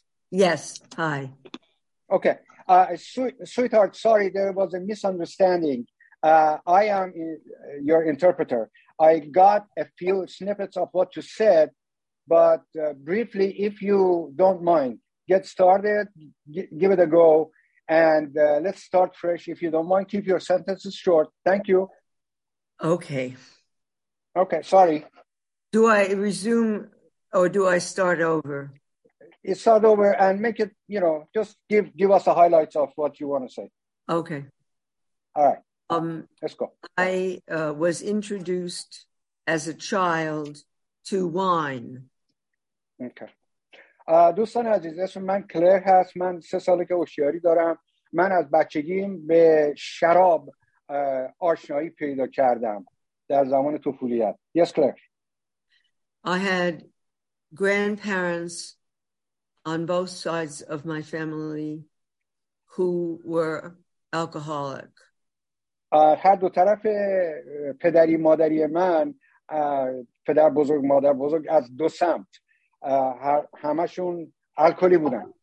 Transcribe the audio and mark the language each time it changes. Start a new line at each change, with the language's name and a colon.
English: Yes, hey. Okay, sweetheart, sorry, there was a misunderstanding. I am your interpreter. I got a few snippets of what you said, but briefly if you don't mind. Get started, give it a go, and let's start fresh. If you don't mind, keep your sentences short. Thank you. Okay. Okay, sorry. Do I resume or do I start over? You start over and make it, you know, just give us the highlights of what you want to say. Okay. All right. Let's go. I was introduced as a child to wine. Okay.
Persian: دوستان عزیز، اسم من کلر هست. من 3 ساله که هوشیاری دارم. من از بچگیم به شراب آشنایی پیدا کردم در زمان طفولیت.
English: yes
Persian: کلر.
English: I had grandparents on both sides of my family who were alcoholic.
Persian: هر دو طرف پدری مادری من پدر بزرگ مادر بزرگ از دو سمت همشون الکلی بودن.